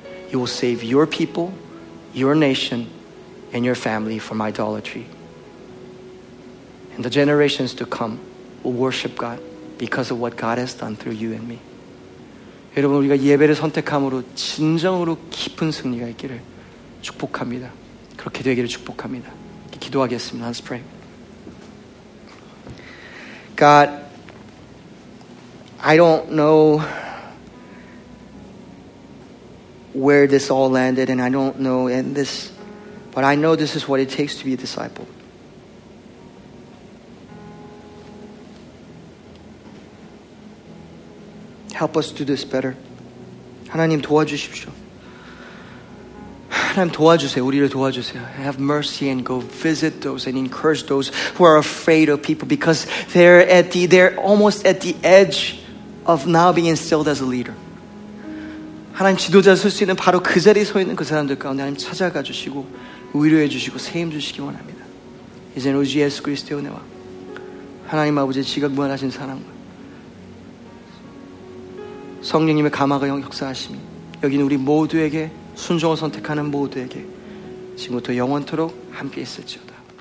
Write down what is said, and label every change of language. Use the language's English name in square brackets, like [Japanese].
[English] You will save your people, your nation, and your family from idolatry. And the generations to come will worship God because of what God has done through you and me. [Korean] 여러분, 우리가 예배를 선택함으로 진정으로 깊은 승리가 있기를 축복합니다. 그렇게 되기를 축복합니다. 기도하겠습니다. [English] Let's pray. God, I don't know where this all landed, and I don't know in this, but I know this is what it takes to be a disciple. Help us do this better. [Korean] 하나님 도와주십시오. 하나님 도와주세요. 우리를 도와주세요. [English] Have mercy and go visit those and encourage those who are afraid of people because they're almost at the edge of now being instilled as a leader. [Korean] 하나님 지도자 쓸 수 있는 바로 그 자리에 서 있는 그 사람들 가운데 하나님 찾아가 주시고 위로해 주시고 세임 주시기 원합니다. 이제는 우리 예수 그리스도의 은혜와 하나님 아버지의 지각 무한하신 사랑과 성령님의 감화가 역사하심이 여기는 우리 모두에게 순종을 선택하는 모두에게 지금부터 영원토록 함께 있을지어다.